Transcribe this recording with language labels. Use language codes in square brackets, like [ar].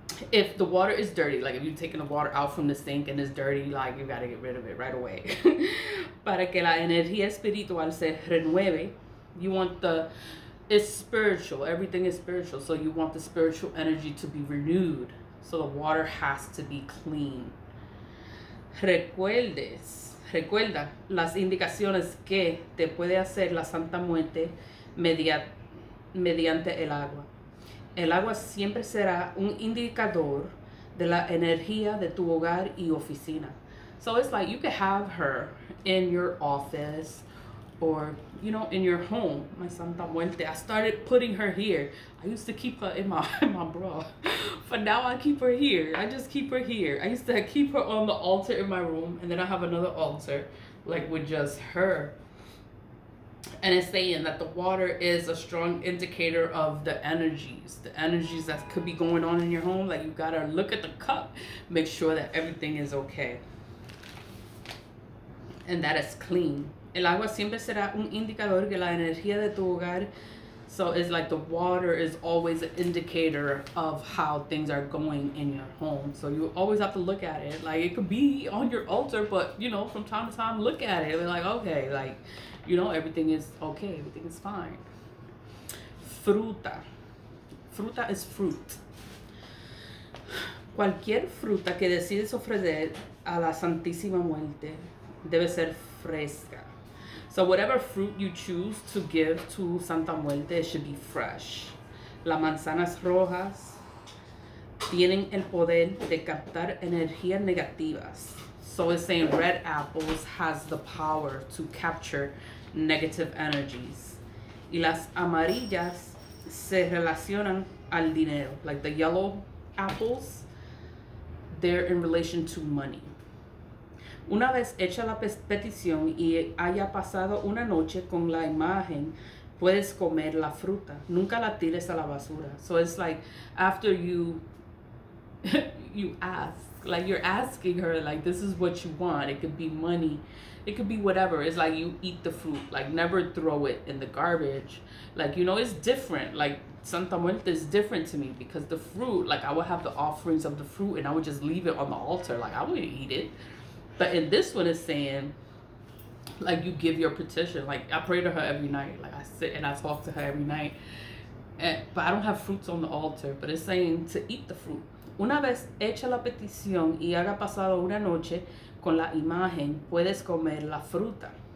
[en] if the water is dirty, like if you're taking the water out from the sink and it's dirty, like you gotta get rid of it right away. [es] Para que la energía espiritual se renueve, [en] you want the, it's spiritual, everything is spiritual, so you want the spiritual energy to be renewed. So the water has to be clean. [es] Recuerda las indicaciones que te puede hacer la Santa Muerte mediante el agua. El agua siempre será un indicador de la energía de tu hogar y oficina. [en] So it's like you could have her in your office or, you know, in your home. My Santa Muerte, I started putting her here. I used to keep her in my bra, but now I keep her here. I just keep her here. I used to keep her on the altar in my room, and then I have another altar, like, with just her. And it's saying that the water is a strong indicator of the energies that could be going on in your home. Like, you gotta look at the cup, make sure that everything is okay. And that is clean. [es] El agua siempre será un indicador de la energía de tu hogar. [en] So it's like the water is always an indicator of how things are going in your home. So you always have to look at it. Like, it could be on your altar, but, you know, from time to time, look at it. Like, okay, like, you know, everything is okay. Everything is fine. Fruta. Fruta is fruit. [es] Cualquier fruta que decides ofrecer a la Santísima Muerte debe ser fresca. [en] So whatever fruit you choose to give to Santa Muerte, it should be fresh. [es] Las manzanas rojas tienen el poder de captar energías negativas. [en] So it's saying red apples has the power to capture negative energies. [es] Y las amarillas se relacionan al dinero. [en] Like the yellow apples, they're in relation to money. [es] Una vez hecha la petición y haya pasado una noche con la imagen, puedes comer la fruta. Nunca la tires a la basura. [en] So it's like, after you ask, like you're asking her, like, this is what you want. It could be money. It could be whatever. It's like you eat the fruit. Like, never throw it in the garbage. Like, you know, it's different. Like, Santa Muerte is different to me because the fruit, like, I would have the offerings of the fruit and I would just leave it on the altar. Like, I wouldn't eat it. But in this one, it's saying, like, you give your petition. Like, I pray to her every night. Like, I sit and I talk to her every night. But I don't have fruits on the altar. But it's saying to eat the fruit. [es] Una vez hecha la petición y haya pasado una noche con la imagen, puedes comer la fruta.